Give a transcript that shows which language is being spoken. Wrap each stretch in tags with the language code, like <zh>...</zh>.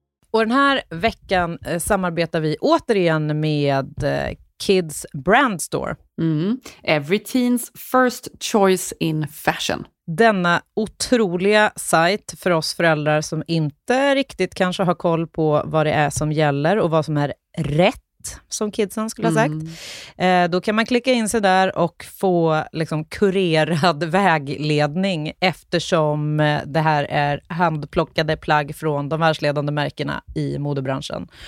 <sv>Och den här veckan samarbetar vi återigen med Kids Brand Store. Mm.</sv> <en>Every teen's first choice in fashion.</en> <sv>Denna otroliga sajt för oss föräldrar som inte riktigt kanske har koll på vad det är som gäller och vad som är rätt, som kidsen skulle ha sagt. Mm. Då kan man klicka in sig där och få liksom kurerad vägledning eftersom det här är handplockade plagg från de världsledande märkena i modebranschen.</sv>